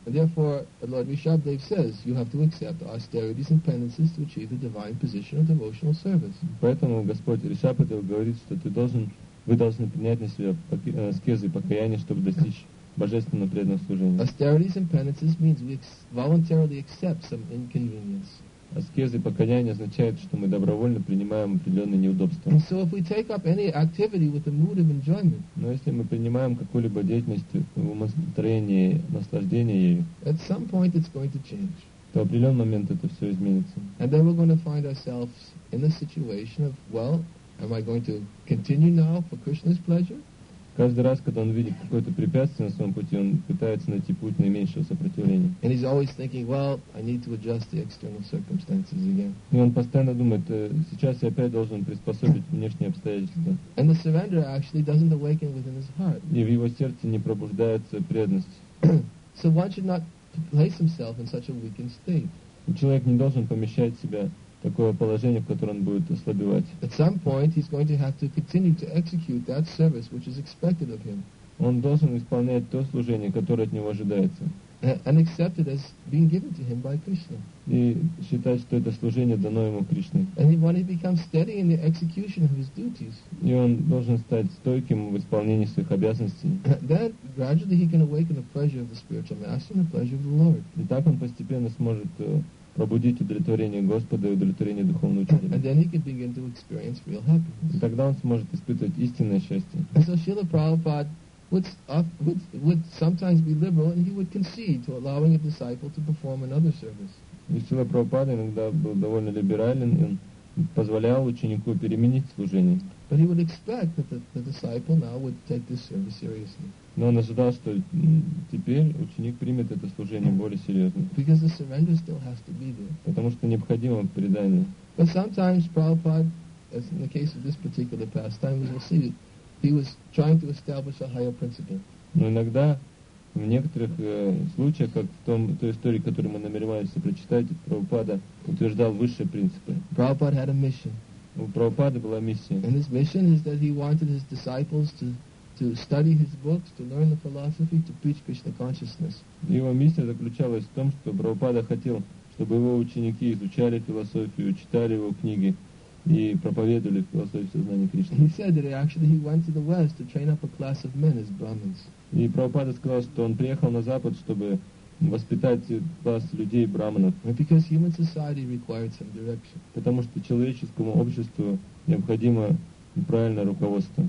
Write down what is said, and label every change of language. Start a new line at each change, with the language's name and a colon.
English: Therefore, Lord Rishabhdev says, you have to accept austerities and penances to achieve the divine position of devotional service.
Russian: Поэтому Господь Ришабхадев говорит, что ты должен вы должны принять на себя аскезы и покаяние, чтобы достичь божественного преданного служения.
English: Austerities and penances means we voluntarily accept some inconvenience.
Russian: Аскезы и покаяние означают, что мы добровольно принимаем определенные неудобства.
English: And so if we take up any activity with a mood of enjoyment,
Russian: но если мы принимаем какую-либо деятельность в умонастроении наслаждения ею,
English: at some point it's going to change.
Russian: То в определенный момент это все изменится.
English: And then we're going to find ourselves in the situation of, well, am I going to continue now for Krishna's pleasure?
Russian: Каждый раз, когда он видит какое-то препятствие на своем пути, он пытается найти путь наименьшего сопротивления.
English: And he's always thinking, well, I need to adjust the external circumstances again.
Russian: И он постоянно думает, сейчас я опять должен приспособить внешние обстоятельства.
English: And the surrender actually doesn't awaken within his heart.
Russian: И в его сердце не пробуждается преданность.
English: So one should not place himself in such a weakened state.
Russian: Человек не должен помещать себя такое положение, в котором он будет ослабевать.
English: At some point he's going to have to continue to execute that service which is expected of him.
Russian: Он должен исполнять то служение, которое от него ожидается.
English: And accept it as being given to him by Krishna.
Russian: И считать, что это служение дано ему Кришной.
English: And when he becomes steady in the execution of his duties,
Russian: и он должен стать стойким в исполнении своих обязанностей.
English: Then gradually he can awaken the pleasure of the spiritual master and the pleasure of the Lord.
Russian: И так он постепенно сможет пробудить удовлетворение Господа и удовлетворение духовного учителя.
English: And then he can begin to experience real happiness.
Russian: И тогда он сможет испытывать истинное счастье.
English: And so Srila Prabhupada would sometimes be liberal, and he would concede to allowing a disciple to perform another service.
Russian: И Шрила Прабхупада иногда был довольно либерален, и он позволял ученику переменить служение.
English: But he would expect that the disciple now would take this service seriously.
Russian: Но он ожидал, что теперь ученик примет это служение более серьезно.
English: Because the surrender still has to be there.
Russian: Потому что необходимо предание.
English: But sometimes Prabhupada, as in the case of this particular pastime, we will see it. He was trying to establish a higher principle.
Russian: Но иногда в некоторых случаях, как в той истории, которую мы намереваемся прочитать, Прабхупада утверждал высшие принципы.
English: Prabhupada had a mission.
Russian: У Прабхупады была миссия.
English: And his mission is that he wanted his disciples to study his books, to learn the philosophy, to preach Krishna consciousness.
Russian: Его миссия заключалась в том, что Прабхупада хотел, чтобы его ученики изучали философию, читали его книги и проповедовали философию сознания Кришны.
English: He said that actually he went to the West to train up a class of men as Brahmins.
Russian: И Прабхупада сказал, что он приехал на Запад, чтобы воспитать класс людей брахманов.
English: Because human society required some direction.
Russian: Потому что человеческому обществу необходимо правильное руководство.